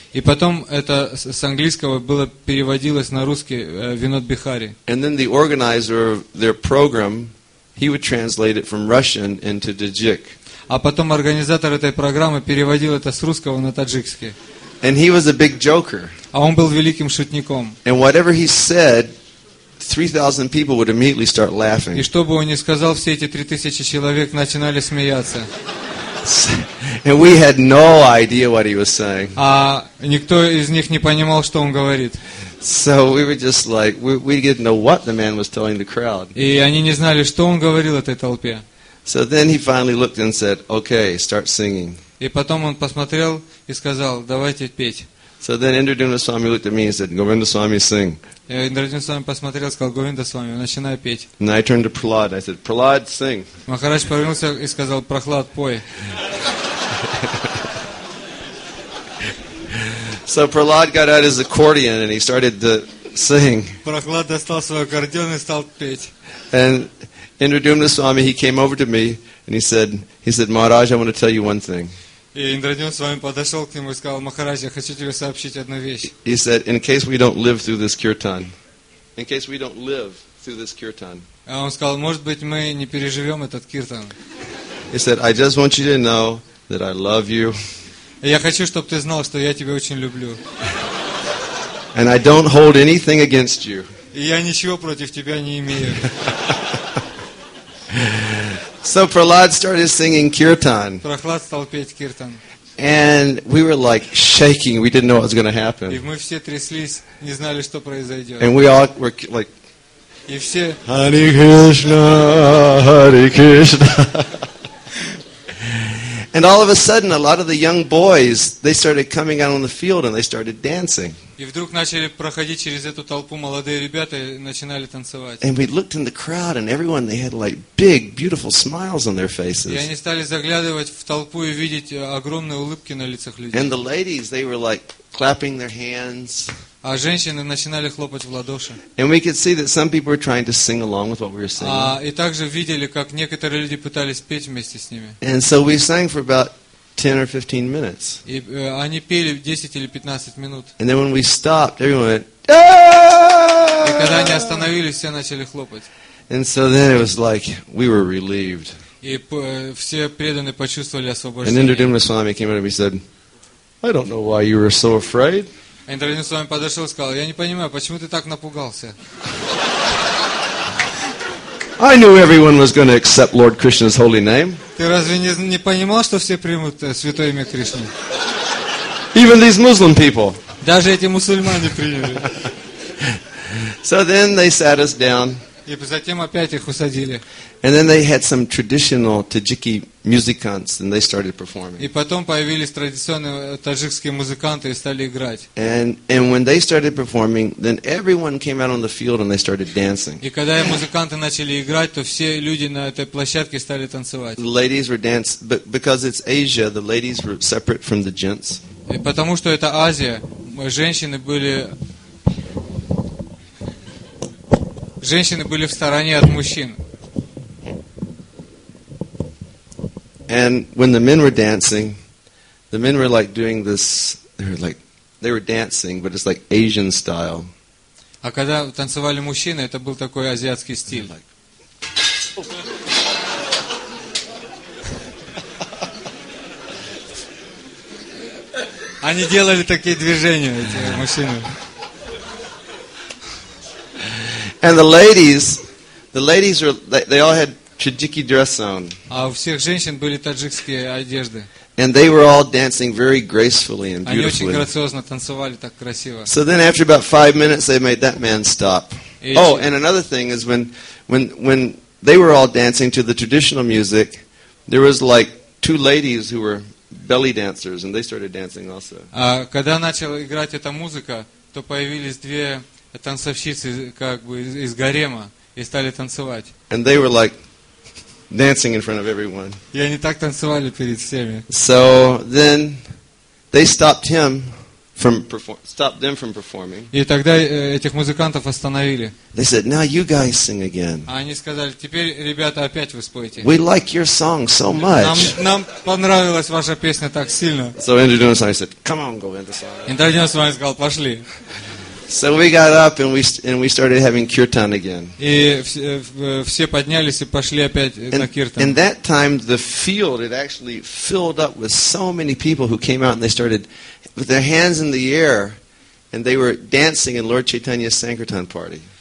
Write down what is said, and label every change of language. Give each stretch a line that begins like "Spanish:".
Russian: И потом это с английского было переводилось на русский Vinod Bihari.
English: And then the organizer of their program, he would translate it from Russian into Tajik.
Russian: А потом организатор этой программы переводил это с русского на таджикский.
English: And he was a big joker.
Russian: А он был великим шутником.
English: And whatever he said, 3,000 people would immediately start laughing.
Russian: И что бы он ни сказал, все эти 3,000 человек начинали смеяться.
English: And we had no idea what he was saying.
Russian: А никто из них не понимал, что он говорит.
English: So we were just like, we didn't know what the man was telling the crowd.
Russian: И они не знали, что он говорил этой толпе.
English: So then he finally looked and said, "Okay, start singing."
Russian: И потом он посмотрел и сказал, "Давайте петь."
English: So then Indra Dumna Swami looked at me and said, Govinda Swami, sing.
Russian: Индра Дюмна Свами посмотрел и сказал, Говинда Свами, начинай петь.
English: And I turned to Prahlad. I said, Prahlad, sing.
Russian: Махарадж повернулся и сказал, Прохлад, пой.
English: So Prahlad got out his accordion and he started to sing.
Russian: Прохлад достал свой аккордеон и стал петь.
English: And Indra Dumna Swami, he came over to me and he said, Maharaj, I want to tell you one thing.
Russian: И Индрадин с вами подошел к нему и сказал, Махарадж, я хочу тебе сообщить одну вещь.
English: He said, in case we don't live through this kirtan. In case we don't live through this kirtan.
Russian: А он сказал, может быть, мы не переживем этот киртан.
English: He said, I just want you to know that I love you.
Russian: Я хочу, чтобы ты знал, что я тебя очень люблю.
English: And I don't hold anything against you.
Russian: И я ничего против тебя не имею.
English: So Prahlad started singing kirtan.
Russian: Прохлад стал петь киртан.
English: And we were like shaking. We didn't know what was going to happen.
Russian: И мы все тряслись, не знали, что произойдет.
English: And we all were like.
Russian: И все.
Sanskrit: Hare Krishna, Hare Krishna.
English: And all of a sudden, a lot of the young boys they started coming out on the field and they started dancing.
Russian: И вдруг начали проходить через эту толпу молодые ребята и начинали танцевать.
English: And we looked in the crowd and everyone they had like big, beautiful smiles on their faces.
Russian: И они стали заглядывать в толпу и видеть огромные улыбки на лицах людей.
English: And the ladies they were like clapping their hands.
Russian: А женщины начинали хлопать в ладоши.
English: And we could see that some people were trying to sing along with what we were singing.
Russian: А и также видели, как некоторые люди пытались петь вместе с ними.
English: And so we sang for about 10 or 15 minutes.
Russian: И они пели 10 или 15 минут.
English: And then when we stopped, everyone went,
Russian: И когда они остановились, все начали хлопать.
English: And so then it was like we were relieved.
Russian: И все преданные почувствовали освобождение.
English: And Indra Dumna Swami came over and he said, I don't know why you were so afraid.
Russian: Индрадин с вами подошел и сказал, я не понимаю, почему ты так напугался?
English: I knew everyone was going to accept Lord Krishna's holy name.
Russian: Ты разве не понимал, что все примут святое имя Кришны?
English: Even these Muslim people.
Russian: Даже эти мусульмане приняли.
English: So then they sat us down.
Russian: И затем опять их усадили.
English: And then they had some traditional Tajiki musicians, and they started performing.
Russian: И потом появились традиционные таджикские музыканты и стали играть.
English: And when they started performing, then everyone came out on the field and they started dancing.
Russian: И когда музыканты начали играть, то все люди на этой площадке стали танцевать.
English: The ladies were dancing, but because it's Asia, the ladies were separate from the gents.
Russian: И потому что это Азия, женщины были. Женщины были в стороне от мужчин.
English: And when the men were dancing, the men were like doing this, they were dancing, but it's like Asian style.
Russian: А когда танцевали мужчины, это был такой азиатский стиль.
English: Like... Oh.
Russian: Они делали такие движения, эти мужчины.
English: And the ladies were, they all had таджики dress on.
Russian: А у всех женщин были таджикские одежды.
English: And they were all dancing very gracefully and beautifully.
Russian: Они очень грациозно танцевали так красиво.
English: So then after about 5 minutes they made that man stop. Oh, and another thing is when they were all dancing to the traditional music, there was like two ladies who were belly dancers and they started dancing also.
Russian: А когда начала играть эта музыка, то появились две танцовщицы как бы из гарема и стали танцевать.
English: And they were like dancing in front of everyone.
Russian: И они так танцевали перед всеми.
English: So then they stopped him from performing.
Russian: И тогда этих музыкантов остановили.
English: They said, "Now you guys sing again."
Russian: А они сказали: "Теперь, ребята, опять вы спойте."
English: We like your song so much.
Russian: Нам понравилась ваша песня так сильно.
English: So Andrew Dunn said, "Come on, go in the song."
Russian: И Andrew Dunn сказал: "Пошли."
English: So we got up and we started having kirtan again.
Russian: И все поднялись и пошли опять на киртан.
English: And that time the field had actually filled up with so many people who came out and they started with their hands in the air and they were dancing in Lord Chaitanya's Sankirtan party.